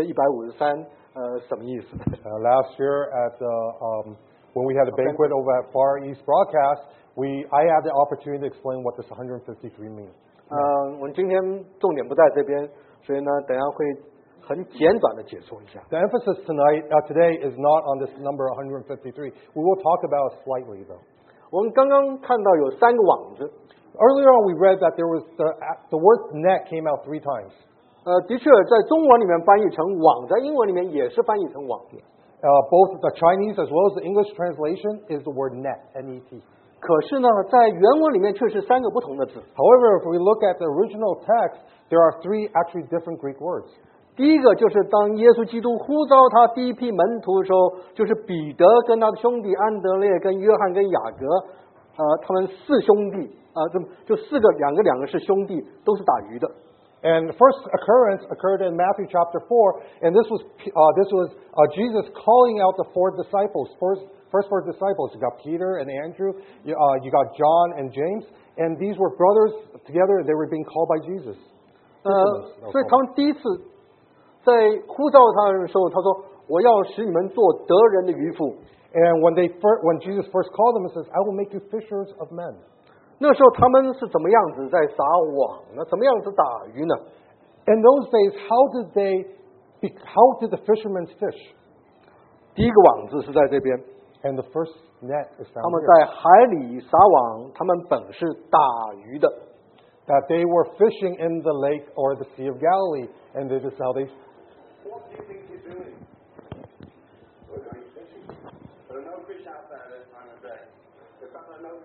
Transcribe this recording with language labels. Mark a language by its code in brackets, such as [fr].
[zh] 如果我们去年远东办参会的时候，如果您有参加的时候，可能会有听过我来解释这153什么意思。 [en] Last year, at when we had a banquet over at Far East Broadcast, I had the opportunity to explain what this 153 means. [zh] 我们今天重点不在这边。所以呢，等下会很简短的解说一下。 [en] The emphasis tonight, today is not on this number 153. We will talk about it slightly though. [zh] 我们刚刚看到有三个网子。 [en] Earlier on, we read that there was the word net came out 3 times. [zh] 的确，在中文里面翻译成网，在英文里面也是翻译成网。 [en] Both the Chinese as well as the English translation is the word net, N-E-T. [zh] 可是呢，在原文里面却是三个不同的字。 [en] However, if we look at the original text, there are three actually different Greek words. [zh] 第一个就是当耶稣基督呼召他第一批门徒的时候，就是彼得跟他的兄弟安德烈、跟约翰、跟雅各，他们四兄弟，就四个，两个两个是兄弟，都是打鱼的。 [en] And the first occurrence occurred in Matthew chapter 4, and this was Jesus calling out the four disciples, first four disciples. You got Peter and Andrew, you got John and James, and these were brothers together, they were being called by Jesus. [zh] So, 他们第一次在呼召他们的时候，他说，我要使你们做得人的渔夫。 [en] And when Jesus first called them, he says, I will make you fishers of men. [zh] 那时候他们是怎么样子在撒网呢？怎么样子打鱼呢 [en] ？In those days, how did the fishermen fish? [zh] 第一个网子是在这边。 [en] And the first net is found here. [zh] 他们在海里撒网，他们本是打鱼的。 [en] That they were fishing in the lake or the Sea of Galilee, and this is how they. What do you think you're doing? Are you fishing? There are no fish out there at this time of day.